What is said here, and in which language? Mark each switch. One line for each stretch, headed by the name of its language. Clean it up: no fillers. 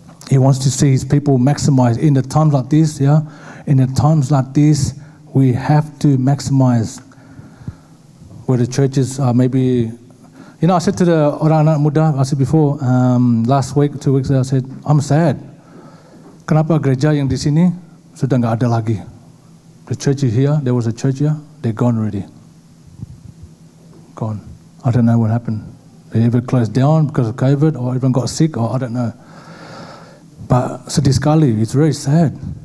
English: He wants to see his people maximized in the times like this, yeah? In the times like this, we have to maximize where the churches are maybe. You know, I said to the Orang Muda, I said before, last week, 2 weeks ago, I said, I'm sad.
Indonesian: Kenapa gereja yang di sini sudah enggak ada lagi?
English: The church is here, there was a church here. They're gone already. Gone. I don't know what happened. They either closed down because of COVID or even got sick or I don't know. But
Indonesian: sedih sekali,
English: it's very sad.